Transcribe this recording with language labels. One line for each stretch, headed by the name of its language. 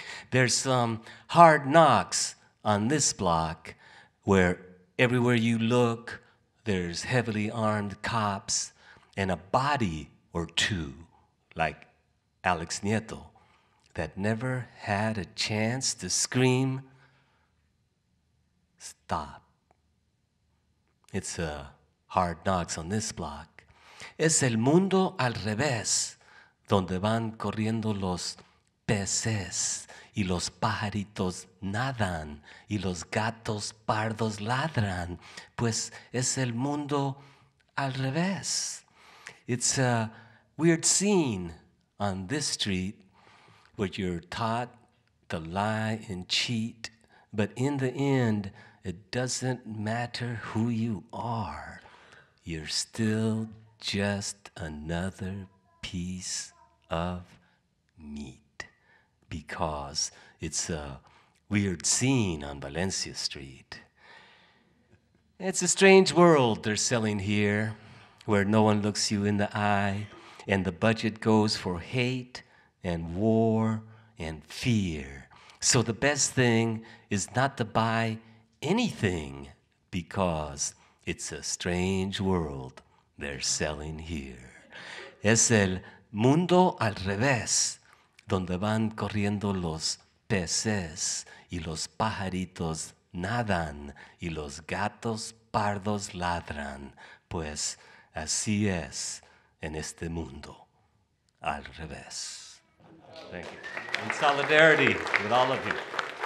English: There's some hard knocks on this block, where everywhere you look, there's heavily armed cops and a body or two, like Alex Nieto, that never had a chance to scream, stop. It's a hard knocks on this block.
Spanish: Es el mundo al revés, donde van corriendo los peces. Y los pajaritos nadan, y los gatos pardos ladran, pues es el mundo al revés.
English: It's a weird scene on this street where you're taught to lie and cheat, but in the end, it doesn't matter who you are. You're still just another piece of meat. Because it's a weird scene on Valencia Street. It's a strange world they're selling here, where no one looks you in the eye, and the budget goes for hate and war and fear. So the best thing is not to buy anything, because it's a strange world they're selling here.
Spanish: Es el mundo al revés, donde van corriendo los peces, y los pajaritos nadan, y los gatos pardos ladran, pues así es en este mundo, al revés.
English: Thank you. In solidarity with all of you.